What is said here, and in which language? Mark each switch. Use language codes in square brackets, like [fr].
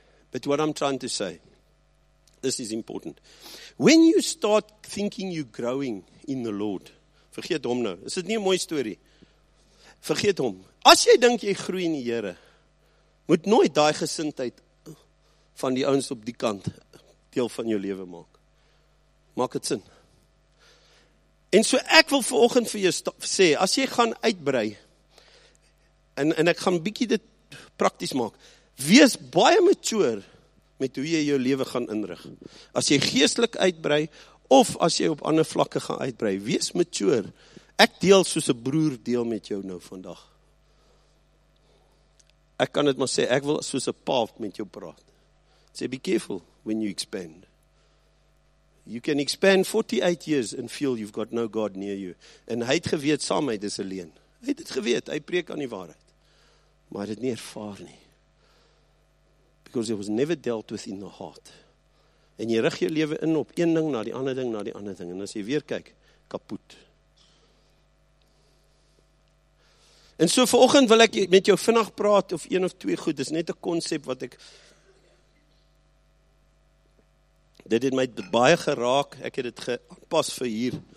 [en] But what I'm trying to say, this is important. When you start thinking you're growing in the Lord, [af] vergeet hom nou. Is dit nie 'n mooi storie? Vergeet hom. As jy dink jy groei in die Here, moet nooit daai gesindheid van die ouens op die kant deel van jou lewe maak. Maak dit sin. En so ek wil vanoggend vir jou sê, as jy gaan uitbrei, en ek gaan 'n bietjie dit prakties maak, wees baie mature met hoe jy jou lewe gaan inrig. As jy geestelik uitbrei, of as jy op ander vlakke gaan uitbrei, wees mature. Ek deel soos 'n broer deel met jou nou vandag. Ek kan dit maar sê, ek wil soos 'n pa met jou praat. [en] Sê, be careful when you expand. You can expand 48 years and feel you've got no God near you. [af] En hy het geweet, saamheid is 'n leuen. Hy het dit geweet, hy preek aan die waarheid. Maar hy het dit nie ervaar nie. [en] Because it was never dealt with in the heart. [af] En jy rig jou lewe in op een ding, na die ander ding, na die ander ding. En as jy weer kyk, kapot. En so vanoggend wil ek met jou vinnig praat, of een of twee goed, dis net 'n konsep wat ek, dit het my baie geraak, ek het dit gepas vir hier.